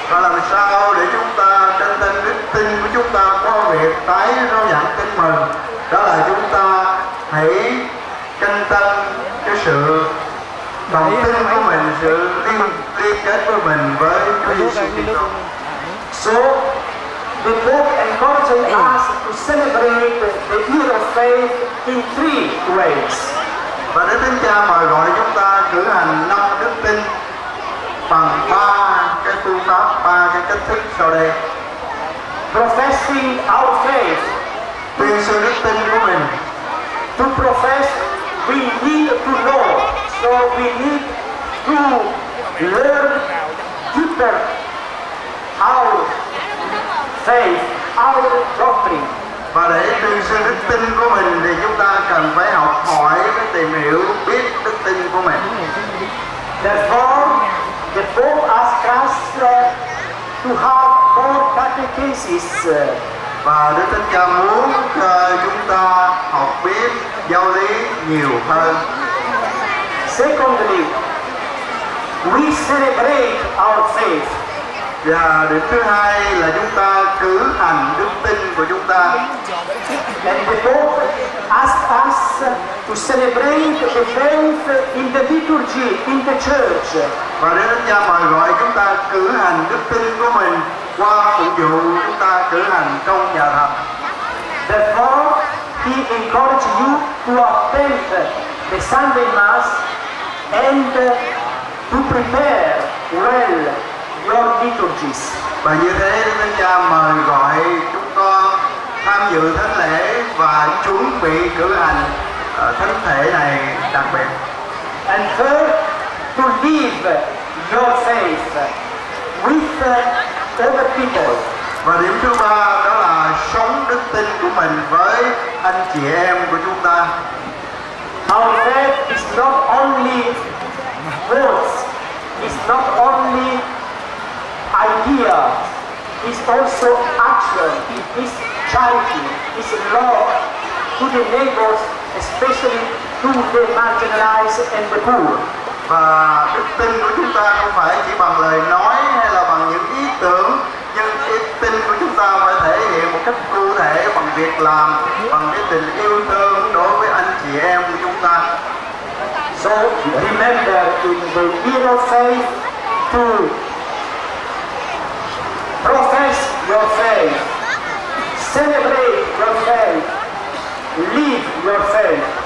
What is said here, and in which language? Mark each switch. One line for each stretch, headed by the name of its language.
Vietnamese: Và làm sao để chúng ta canh tân đức tin của chúng ta qua việc tái rao giảng tin mừng? Đó là chúng ta hãy canh tân cái sự đồng tin của mình, sự liên kết của mình với Chúa Giêsu Kitô.
English: So, the Pope encouraged us to celebrate the year of faith in three ways.
Vietnamese: Và Đức Thánh Cha mời gọi chúng ta cử hành năm đức tin bằng ba cái có ba cái cách thức sau đây.
English: Professing our faith.
Vietnamese: Tuyên sư đức tin của mình.
English: To profess, we need to know. So we need to learn deeper our faith, our doctrine.
Vietnamese: Và để tuyên sư đức tin của mình thì chúng ta cần phải học hỏi với tìm hiểu biết đức tin của mình.
English: Therefore, the Pope asks us to have more catechesis.
Vietnamese: Và Đức Thánh Cha muốn chúng ta học biết giáo lý nhiều hơn.
English: Secondly, we celebrate our faith.
Vietnamese: Và điểm thứ hai là chúng ta cử hành đức tin của chúng ta.
English: And the Pope asked us to celebrate the faith in the liturgy, in the church.
Vietnamese: Và Đức Thánh Cha mời gọi chúng ta cử hành đức tin của mình qua phụng vụ chúng ta cử hành trong nhà thờ.
English: Therefore, he encouraged you to attend the Sunday Mass and to prepare well your liturgies.
Vietnamese: Và như thế Đức Thánh Cha mời gọi chúng con tham dự thánh lễ và chuẩn bị cử hành thánh thể này đặc biệt.
English: And third, to live your faith with other people.
Vietnamese: Và điểm thứ ba đó là sống đức tin của mình với anh chị em của chúng ta.
English: Our faith is not only words, it's not only idea, it's also action, it's charity, it's love to the neighbors, especially to the marginalized and the poor.
Vietnamese: Và đức tin của chúng ta không phải chỉ bằng lời nói hay là bằng những ý tưởng, nhưng đức tin của chúng ta phải thể hiện một cách cụ thể bằng việc làm, bằng cái tình yêu thương đối với anh chị em của chúng ta.
English: So remember in the year of faith to profess your faith, celebrate your faith, live your faith.